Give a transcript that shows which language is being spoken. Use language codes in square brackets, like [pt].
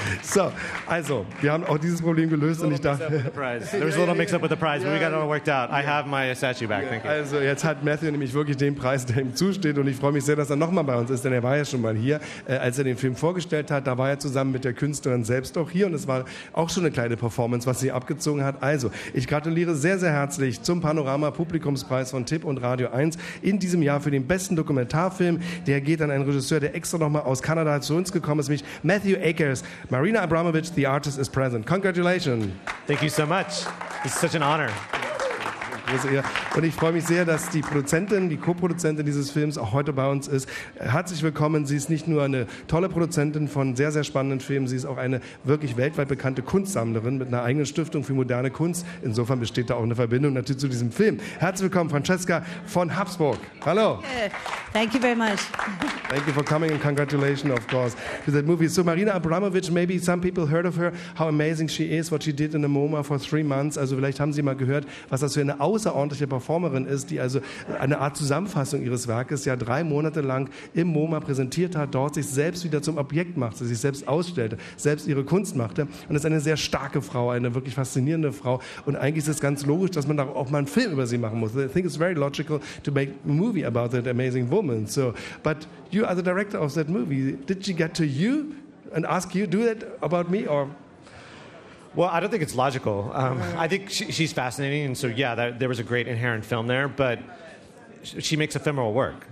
[de] So, also, wir haben auch dieses Problem gelöst und ich dachte... [en] There was a little mix-up with the prize, but we got it all worked out. I have my statue back, thank you. [de] Also, jetzt hat Matthew nämlich wirklich den Preis, der ihm zusteht, und ich freue mich sehr, dass er nochmal bei uns ist, denn er war ja schon mal hier, als er den Film vorgestellt hat. Da war er zusammen mit der Künstlerin selbst auch hier, und es war auch schon eine kleine Performance, was sie abgezogen hat. Also, ich gratuliere sehr, sehr herzlich zum Panorama-Publikumspreis von Tipp und Radio 1 in diesem Jahr für den besten Dokumentarfilm. Der geht an einen Regisseur, der extra nochmal aus Kanada zu uns gekommen ist, nämlich Matthew Akers. [en] Marina Abramovic, the artist is present. Congratulations. Thank you so much. It's such an honor. [de] Und ich freue mich sehr, dass die Produzentin, die Co-Produzentin dieses Films auch heute bei uns ist. Herzlich willkommen. Sie ist nicht nur eine tolle Produzentin von sehr, sehr spannenden Filmen, sie ist auch eine wirklich weltweit bekannte Kunstsammlerin mit einer eigenen Stiftung für moderne Kunst. Insofern besteht da auch eine Verbindung natürlich zu diesem Film. Herzlich willkommen, Francesca von Habsburg. Hallo. [en] Thank you very much. Thank you for coming and congratulations, of course, to that movie. So, Marina Abramovic, maybe some people heard of her, how amazing she is, what she did in the MoMA for 3 months. [de] Also vielleicht haben Sie mal gehört, was das für eine außerordentliche Performerin ist, die also eine Art Zusammenfassung ihres Werkes ja 3 Monate lang im MoMA präsentiert hat, dort sich selbst wieder zum Objekt machte, sich selbst ausstellte, selbst ihre Kunst machte. Und ist eine sehr starke Frau, eine wirklich faszinierende Frau. Und eigentlich ist es ganz logisch, dass man da auch mal einen Film über sie machen muss. [en] I think it's very logical to make a movie about that amazing woman. So, but you are the director of that movie. Did she get to you and ask you to do that about me or... Well, I don't think it's logical. I think she's fascinating, and so, yeah, there was a great inherent film there, but she makes ephemeral work.